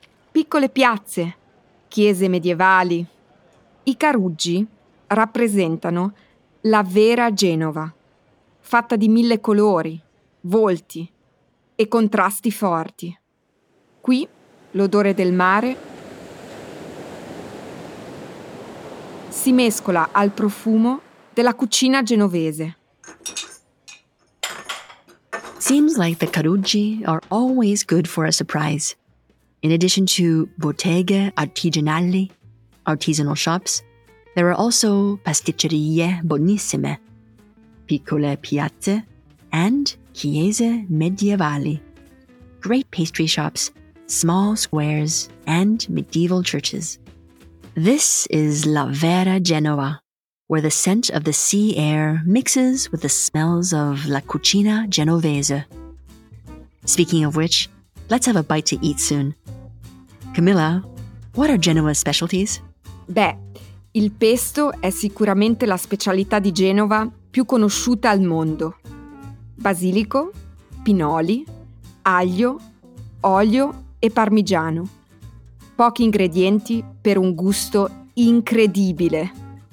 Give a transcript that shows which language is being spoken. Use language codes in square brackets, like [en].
[it] Piccole piazze, chiese medievali. I caruggi rappresentano la vera Genova, fatta di mille colori, volti e contrasti forti. Qui l'odore del mare si mescola al profumo della cucina genovese. [en] Seems like the caruggi are always good for a surprise. In addition to [it] botteghe artigianali, [en] artisanal shops, there are also [it] pasticcerie buonissime, piccole piazze, [en] and [it] chiese medievali, [en] great pastry shops, small squares, and medieval churches. This is [it] La Vera Genova, [en] where the scent of the sea air mixes with the smells of [it] la cucina genovese. [en] Speaking of which, let's have a bite to eat soon. Camilla, what are Genoa's specialties? [it] Beh, il pesto è sicuramente la specialità di Genova più conosciuta al mondo. Basilico, pinoli, aglio, olio e parmigiano. Pochi ingredienti per un gusto incredibile.